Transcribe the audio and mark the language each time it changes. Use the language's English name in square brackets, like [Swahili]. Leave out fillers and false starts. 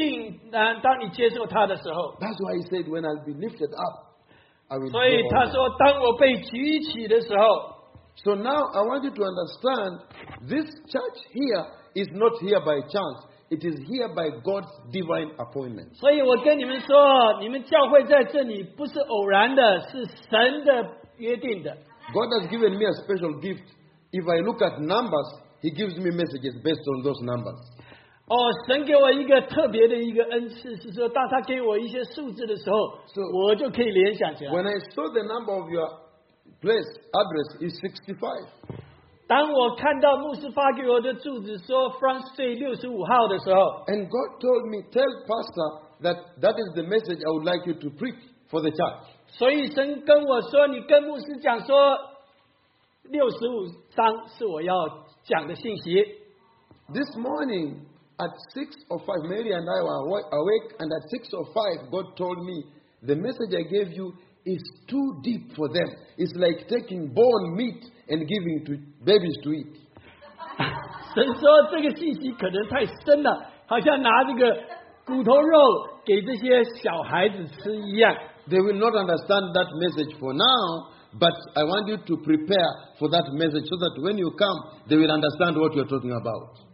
[Chinese] 他把你的罪孽洗干净，当你接受他的时候。 [English] That's why he said, "When I'll be lifted up, I will." [Chinese] 所以他说，当我被举起的时候。 [English] So now I want you to understand, this church here is not here by chance. It is here by God's divine appointment. [Chinese] 所以我跟你们说，你们教会在这里不是偶然的，是神的。 [English] God has given me a special gift. If I look at numbers, He gives me messages based on those numbers. [Chinese] Oh, 神给我一个特别的一个恩赐，是说当他给我一些数字的时候，我就可以联想起来。 [English] When I saw the number of your place address is 65. [Chinese] 当我看到牧师发给我的住址说 France 65号的时候，and [English] God told me, "Tell Pastor that that is the message I would like you to preach for the church." [Chinese] 所以神跟我说，你跟牧师讲说， 65章是我要讲的信息。 [English] This morning at 6:05, Mary and I were awake, and at 6:05, God told me, "The message I gave you is too deep for them. It's like taking bone meat and giving to babies to eat." [Chinese] 神说这个信息可能太深了，好像拿这个骨头肉给这些小孩子吃一样。 [English] They will not understand that message for now, but I want you to prepare for that message so that when you come, they will understand what you're talking about.